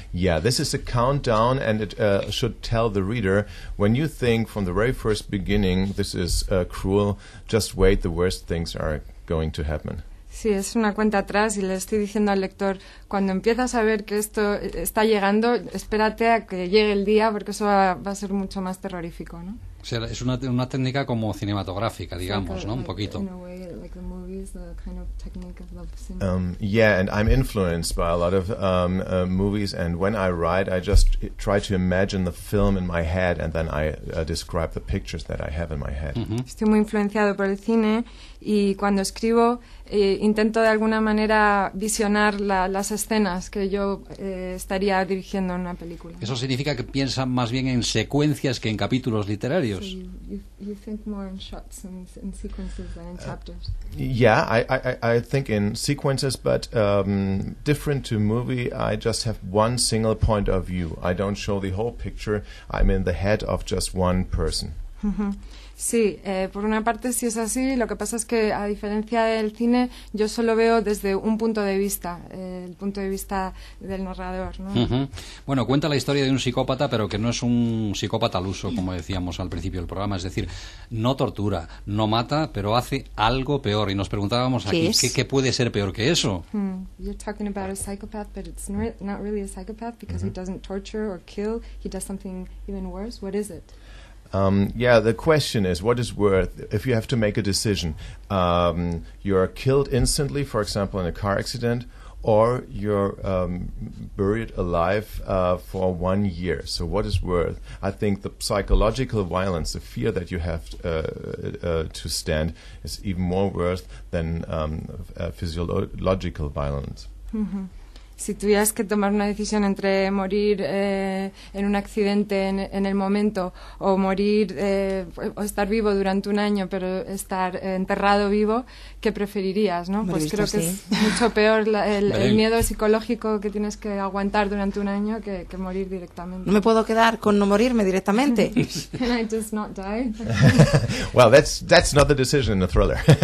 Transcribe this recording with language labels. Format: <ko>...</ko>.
<en>Yeah, this is a countdown, and it should tell the reader, when you think from the very first beginning this is cruel, just wait, the worst things are going to happen.</en> <es>Sí, es una cuenta atrás y le estoy diciendo al lector, cuando empiezas a ver que esto está llegando, espérate a que llegue el día, porque eso va a ser mucho más terrorífico, ¿no? O sea, es una técnica como cinematográfica, digamos, sí, ¿no? Un poquito.</es> <en>In a way, like the movies, the kind of technique of the cinema. Yeah, and I'm influenced by a lot of movies, and when I write, I just try to imagine the film in my head, and then I describe the pictures that I have in my head.</en> <es>Estoy muy influenciado por el cine, y cuando escribo, intento de alguna manera visionar las escenas que yo estaría dirigiendo en una película. Eso significa que piensan más bien en secuencias que en capítulos literarios.</es> <en>So you think more in shots and sequences than in chapters. Yeah, I think in sequences, but different to movie, I just have one single point of view. I don't show the whole picture. I'm in the head of just one person.</en> <es>Sí, por una parte sí es así, lo que pasa es que a diferencia del cine, yo solo veo desde un punto de vista, el punto de vista del narrador, ¿no? Bueno, cuenta la historia de un psicópata, pero que no es un psicópata al uso, como decíamos al principio del programa, es decir, no tortura, no mata, pero hace algo peor, y nos preguntábamos aquí, ¿qué puede ser peor que eso?</es> <en>You're talking about a psychopath, but it's not really a psychopath, because he doesn't torture or kill, he does something even worse, what is it? Yeah, the question is, what is worth, if you have to make a decision, you are killed instantly, for example, in a car accident, or you're buried alive for 1 year. So what is worth? I think the psychological violence, the fear that you have to stand, is even more worth than physiological violence.</en> <es>si tuvieras que tomar una decisión entre morir en un accidente en el momento o morir o estar vivo durante un año pero estar enterrado vivo, ¿qué preferirías, no? Pues creo que es mucho peor el miedo psicológico que tienes que aguantar durante un año que morir directamente. No me puedo quedar con no morirme directamente.</es> <en>Can I just not die? Well, that's not the decision in a thriller.</en>